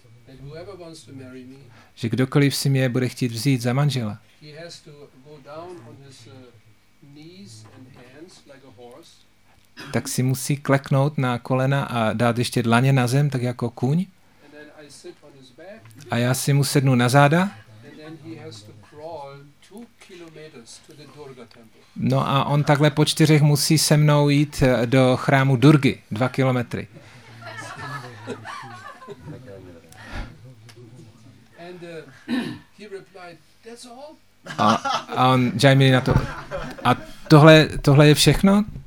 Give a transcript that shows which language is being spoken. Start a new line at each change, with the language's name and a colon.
English: that whoever wants to marry me,
Czech: že kdokoliv si mě bude chtít vzít za manžela,
English: he has to go down on his knees and hands like a horse,
Czech: tak si musí kleknout na kolena a dát ještě dlaně na zem, tak jako kůň.
English: And then I sit on his back,
Czech: a já si mu sednu na záda.
English: And then he has to crawl 2 kilometers to the Durga temple.
Czech: No a on takhle po čtyřech musí se mnou jít do chrámu Durgy, 2 kilometry.
English: And, he replied, that's all?
Czech: A on, Jaimin na to, a tohle je všechno?